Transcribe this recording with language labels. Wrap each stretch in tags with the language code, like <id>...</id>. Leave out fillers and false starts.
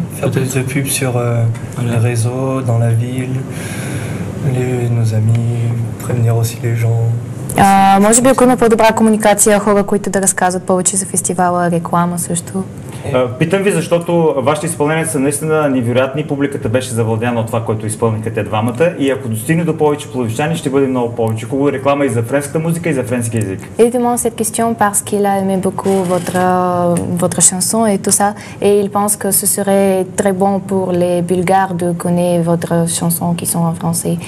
<fr>Peut-être plus de pubs sur les réseaux, dans la ville, nos amis, prévenir aussi les gens.</fr> <bg>Може би, ако има по-добра комуникация, хора, които да разказват повече за фестивала, реклама също. Питам ви, защото вашите изпълнения са наистина невероятни, публиката беше завладяна от това, което изпълниха те двамата, и ако достигне до повече пловдивчани, ще бъде много повече. Хубава реклама и за френската музика, и за френски език.</bg> <fr>Évidemment, cette question parce qu'il a aimé beaucoup votre chanson et tout ça, et il pense que ce serait très bon pour les Bulgares de connaître votre chanson qui sont en français.</fr>